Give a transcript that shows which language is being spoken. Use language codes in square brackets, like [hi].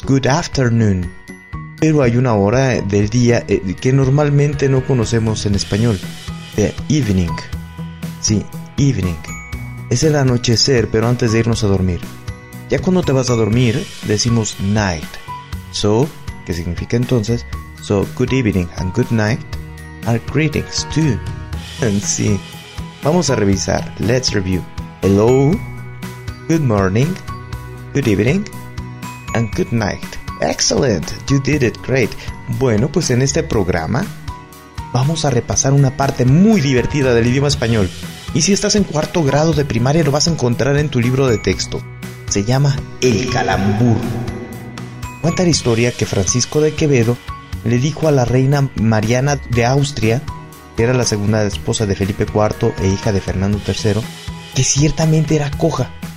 [en] Good afternoon. [es] Pero hay una hora del día que normalmente no conocemos en español. [en] The evening. [es] Sí, evening. Es el anochecer, pero antes de irnos a dormir. Ya cuando te vas a dormir, decimos night. So, ¿qué significa entonces? [en] So, good evening and good night are greetings too. And sí. [es] Vamos a revisar. [en] Let's review. Hello, good morning, good evening, and good night. Excellent, you did it great. [es] Bueno, pues en este programa vamos a repasar una parte muy divertida del idioma español. Y si estás en cuarto grado de primaria, lo vas a encontrar en tu libro de texto. Se llama El Calambur. Cuenta la historia que Francisco de Quevedo le dijo a la reina Mariana de Austria, que era la segunda esposa de Felipe IV e hija de Fernando III, que ciertamente era coja.